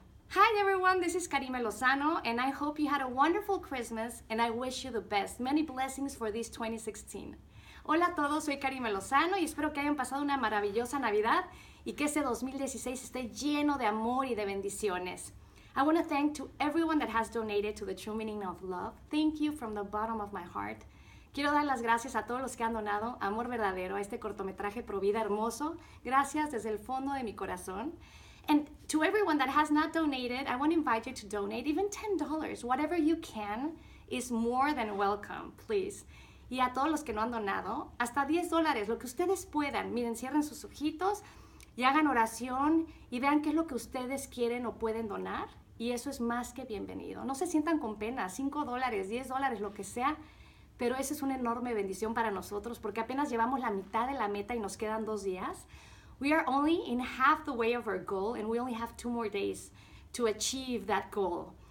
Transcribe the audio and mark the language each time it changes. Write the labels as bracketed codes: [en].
[en] Hi everyone, this is Karime Lozano, and I hope you had a wonderful Christmas, and I wish you the best. Many blessings for this 2016. [es] Hola a todos, soy Karime Lozano, y espero que hayan pasado una maravillosa Navidad, y que este 2016 esté lleno de amor y de bendiciones. [en] I want to thank to everyone that has donated to the True Meaning of Love. Thank you from the bottom of my heart. [es] Quiero dar las gracias a todos los que han donado amor verdadero a este cortometraje Pro Vida hermoso. Gracias desde el fondo de mi corazón. [en] And to everyone that has not donated, I want to invite you to donate even $10. Whatever you can is more than welcome, please. [es] Y a todos los que no han donado, hasta $10, lo que ustedes puedan. Miren, cierren sus ojitos y hagan oración y vean qué es lo que ustedes quieren o pueden donar. Y eso es más que bienvenido. No se sientan con pena, $5, $10, lo que sea. Pero eso es una enorme bendición para nosotros porque apenas llevamos la mitad de la meta y nos quedan 2 días. [en] We are only in half the way of our goal, and we only have 2 more days to achieve that goal.